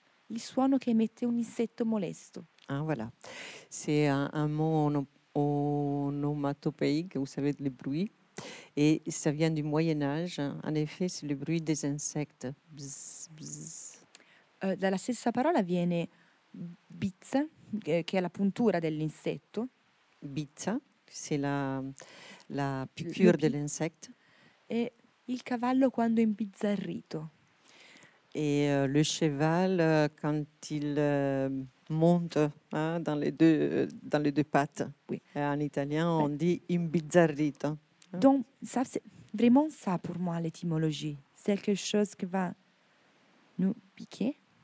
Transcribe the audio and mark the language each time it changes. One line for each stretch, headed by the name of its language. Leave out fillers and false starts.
Italian: Il suono che emette un insetto molesto.
French: Ah, voilà. C'est un mot onomatopéique, vous savez, le bruit. Et ça vient du Moyen-Âge. En effet, c'est le bruit des insectes. Bzz, bzz.
Italian: Dalla stessa parola viene bizza, che è la puntura dell'insetto.
French: Bizza, c'est la piqûre de l'insecte.
Italian: E il cavallo quando è imbizzarrito.
French: Et le cheval, quand il monte hein, dans les deux pattes, oui. En italien, on dit imbizzarrito. Hein. Donc, ça, c'est vraiment ça pour moi, l'étymologie. C'est quelque chose qui va nous piquer,